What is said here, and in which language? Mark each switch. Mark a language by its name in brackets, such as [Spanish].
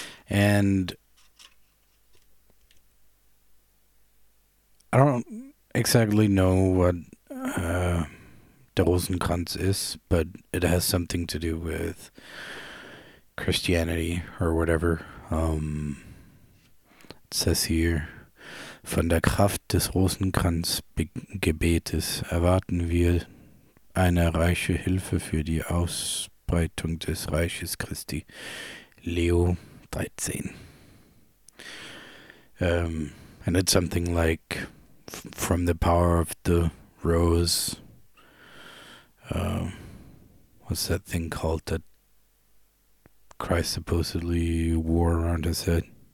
[English] And I don't exactly know what Der Rosenkranz is, but it has something to do with Christianity or whatever. It says here, [German] von der Kraft des Rosenkranzgebetes erwarten wir eine reiche Hilfe für die Ausbreitung des Reiches Christi. Leo 13. [English] And it's something like from the power of the rose. What's that thing called that Christ supposedly wore around his head?